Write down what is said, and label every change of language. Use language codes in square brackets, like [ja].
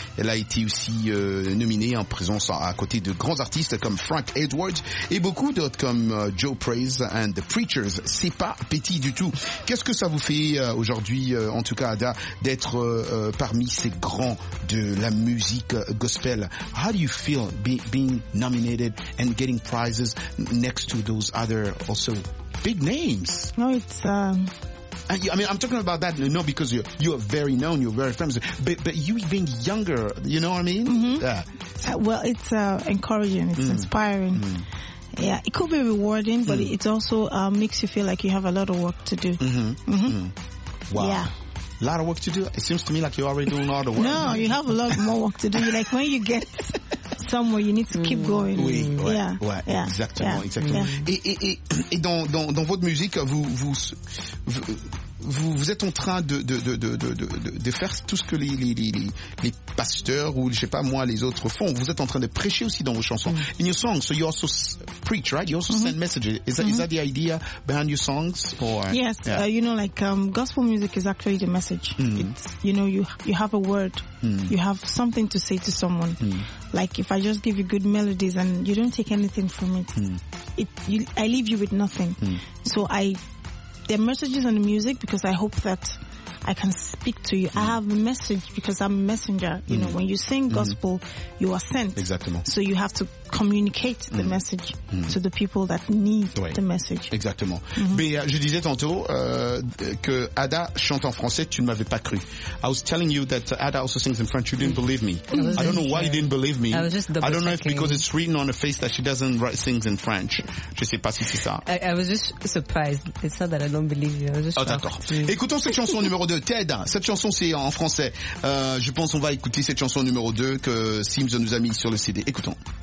[fr] Elle a été aussi nominée en présence à côté de grands artistes comme Frank Edwards et beaucoup d'autres comme Joe Praise and The Preachers. C'est pas petit du tout. Qu'est-ce que ça vous fait aujourd'hui, en tout cas Ada, d'être parmi ces grands de la musique gospel? [en] How do you feel being nominated and getting prizes next to those other also big names? No, it's I mean, I'm talking about that, you know, because you're very known, you're very famous, but you being younger, you know what I mean? Mm-hmm. Yeah. Well, it's encouraging, it's inspiring. Mm. Yeah, it could be rewarding, but it also makes you feel like you have a lot of work to do. Wow. Yeah. A lot of work to do? It seems to me like you're already doing all the work. No, you have a lot more work to do. You're like, when you get somewhere, you need to keep going. [fr] Oui, ouais, exactement. [en] Yeah. [fr] Et dans votre musique, vous êtes en train de faire tout ce que les pasteurs ou, je sais pas moi, les autres font. Vous êtes en train de prêcher aussi dans vos chansons. [en] In your songs, so you also preach, right? You also send messages. Is that the idea behind your songs? Or? Yes, yeah. You know, like gospel music is actually the message. Mm-hmm. It's, you know, you have a word. Mm. You have something to say to someone. Mm. Like, if I just give you good melodies and you don't take anything from it, I leave you with nothing. Mm. So the messages and the music, because I hope that I can speak to you. Mm. I have a message because I'm a messenger. You know, when you sing gospel, you are sent. [fr] Exactement. [en] So you have to communicate the message to the people that need the message. [fr] Exactement. Mais je disais tantôt que Ada chante en français, tu ne m'avais pas cru. [en] I was telling you that Ada also sings in French. You didn't believe me. I don't know why you didn't believe me. I don't know if because it's written on her face that she doesn't write things in French. [fr] Je sais pas si c'est ça. [en] I was just surprised. It's not that I don't believe you. I was just shocked. [fr] D'accord. Écoutons cette chanson numéro 2, Ted. Cette chanson, c'est en français. Je pense qu'on va écouter cette chanson numéro 2 que Sims nous a mis sur le CD. Écoutons.